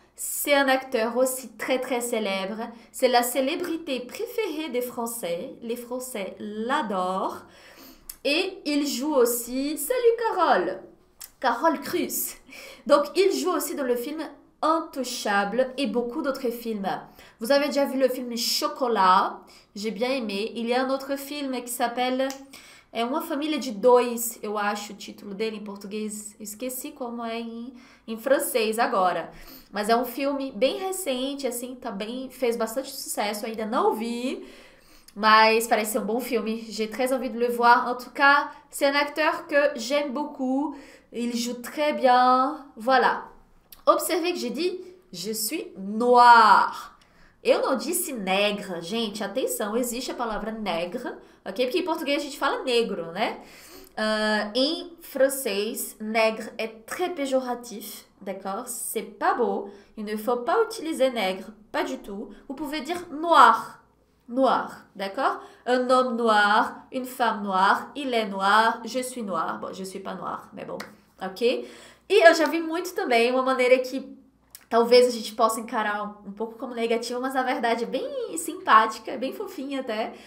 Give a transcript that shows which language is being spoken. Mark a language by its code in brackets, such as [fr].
[fr] C'est un acteur aussi très très célèbre, c'est la célébrité préférée des Français, les Français l'adorent. Et il joue aussi, salut Carole, Carole Cruz. Donc il joue aussi dans le film Intouchable et beaucoup d'autres films. Vous avez déjà vu le film Chocolat, j'ai bien aimé. Il y a un autre film qui s'appelle Uma Família de Dois, [pt] eu acho o título dele em português. Esqueci como é em francês agora. Mas é um filme bem recente, assim, também fez bastante sucesso. Eu ainda não vi, mas parece ser um bom filme. [fr] J'ai très envie de le voir. En tout cas, c'est un acteur que j'aime beaucoup. Il joue très bien. Voilà. Observez que j'ai dit je suis noir. [pt] Eu não disse negra, gente. Atenção, existe a palavra negra, ok? Porque em português a gente fala negro, né? Em francês, negre é [fr] très péjoratif, d'accord? C'est pas beau. Il ne faut pas utiliser negre, pas du tout. Vous pouvez dire noir, noir, d'accord? Un homme noir, une femme noire, il est noir, je suis noir. Bon, je suis pas noir, mais bon, ok? [pt] E eu já vi muito também uma maneira que talvez a gente possa encarar um pouco como negativo, mas na verdade é bem simpática, é bem fofinha até.